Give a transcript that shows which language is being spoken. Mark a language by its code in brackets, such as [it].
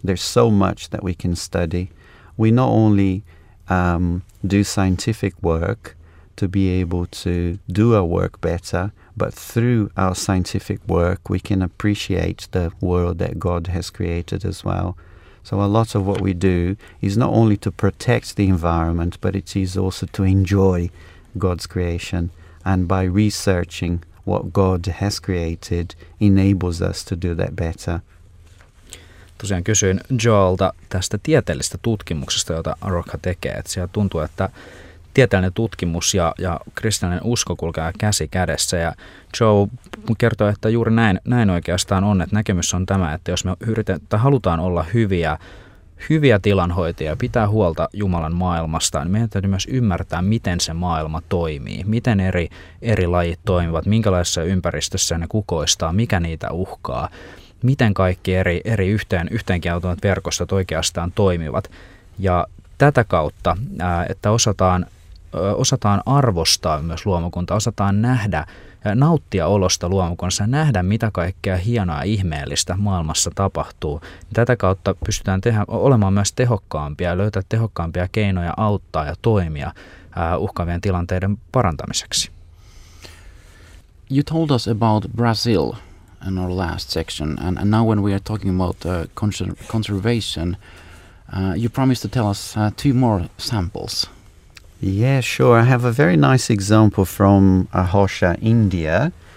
[en] There's so much that we can study. We not only do scientific work to be able to do our work better, but through our scientific work, we can appreciate the world that God has created as well. So a lot of what we do is not only to protect the environment, but it is also to enjoy God's creation. And by researching what God has created, enables us to do that better. [fi] Tosiaan kysyin Joelta tästä tieteellisestä tutkimuksesta, jota Rokha tekee. Et siellä tuntuu, että tieteellinen tutkimus ja kristillinen usko kulkee käsi kädessä. Ja Joe kertoo, että juuri näin oikeastaan on. Et näkemys on tämä, että jos me halutaan olla hyviä tilanhoitajia, pitää huolta Jumalan maailmasta, niin meidän täytyy myös ymmärtää, miten se maailma toimii, miten eri lajit toimivat, minkälaisessa ympäristössä ne kukoistaa, mikä niitä uhkaa, miten kaikki eri yhteenkieltoimat verkostot oikeastaan toimivat. Ja tätä kautta, että osataan arvostaa myös luomakuntaa, osataan nähdä ja nauttia olosta luomakunnassa, nähdä mitä kaikkea hienoa ja ihmeellistä maailmassa tapahtuu. Tätä kautta pystytään olemaan myös tehokkaampia ja löytää tehokkaampia keinoja auttaa ja toimia uhkaavien tilanteiden parantamiseksi. [en] You told us about Brazil in our last section, and now when we are talking about conservation, you promised to tell us two more samples. Yeah, sure. I have a very nice example from Ahosha, India.